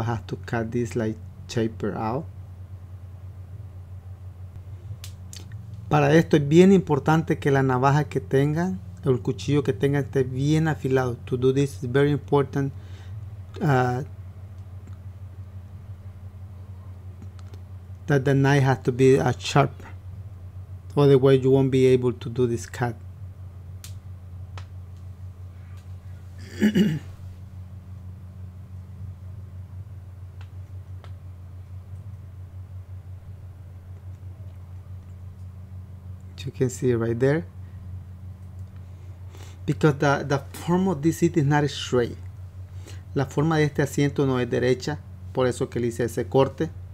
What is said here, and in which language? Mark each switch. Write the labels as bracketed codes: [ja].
[en] I have to cut this like taper out. [es] Para esto es bien importante que la navaja que tengan, el cuchillo que tengan, esté bien afilado. [en] To do this is very important. That the knife has to be sharp. Otherwise you won't be able to do this cut. You can see it right there, because the form of this seat is not straight. [es] La forma de este asiento no es derecha, por eso que le hice ese corte.